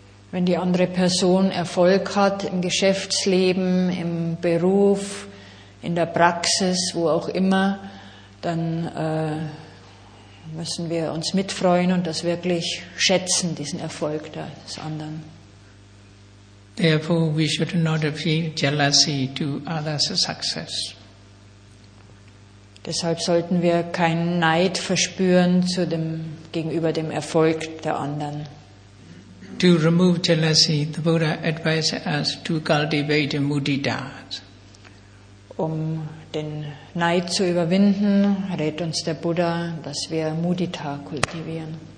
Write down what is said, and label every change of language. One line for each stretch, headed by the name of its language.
German: Wenn die andere Person Erfolg hat im Geschäftsleben, im Beruf, in der Praxis, wo auch immer, dann müssen wir uns mitfreuen und das wirklich schätzen, diesen Erfolg des anderen.
English: Therefore, we should not feel jealousy to others' success.
German: Deshalb sollten wir keinen Neid verspüren zu dem, gegenüber dem Erfolg der anderen.
English: To remove jealousy, the Buddha advised us to cultivate mudita.
German: Um den Neid zu überwinden, rät uns der Buddha, dass wir mudita kultivieren.